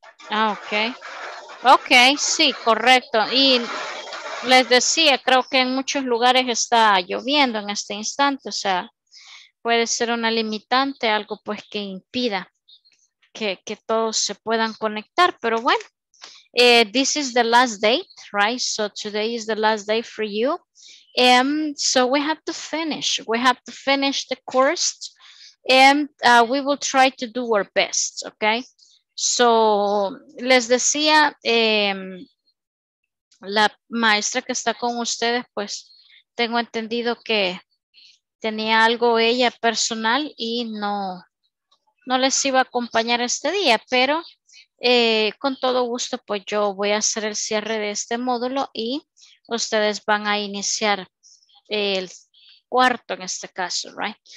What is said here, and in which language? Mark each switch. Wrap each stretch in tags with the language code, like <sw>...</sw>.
<es>Ah, ok. Ok, sí, correcto. Y les decía, creo que en muchos lugares está lloviendo en este instante. O sea, puede ser una limitante, algo pues que impida que todos se puedan conectar.</es> <en>Pero bueno. This is the last day, right? So today is the last day for you. So we have to finish. We have to finish the course and we will try to do our best, okay?</en> <es>So les decía, la maestra que está con ustedes, pues tengo entendido que tenía algo ella personal y no les iba a acompañar este día, pero con todo gusto, pues yo voy a hacer el cierre de este módulo y ustedes van a iniciar el cuarto en este caso, right?</es>